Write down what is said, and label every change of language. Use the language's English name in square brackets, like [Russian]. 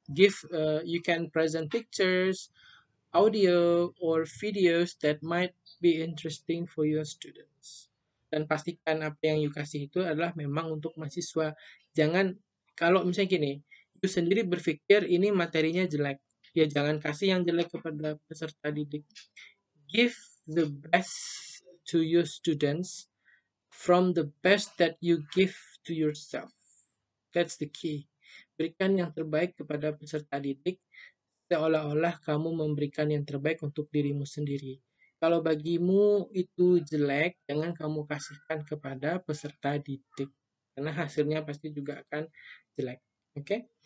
[English] Give you can present pictures, audio, or videos that might be interesting for your students. [Indonesian] Dan pastikan apa yang you kasih itu adalah memang untuk mahasiswa. Jangan, kalau misalnya gini, you sendiri berpikir ini materinya jelek. Ya, jangan kasih yang jelek kepada peserta didik. [English] Give the best to your students from the best that you give to yourself. That's the key. [Indonesian] Berikan yang terbaik kepada peserta didik seolah-olah kamu memberikan yang terbaik untuk dirimu sendiri. Kalau bagimu itu jelek, jangan kamu kasihkan kepada peserta didik. Karena hasilnya pasti juga akan jelek. Oke? Okay?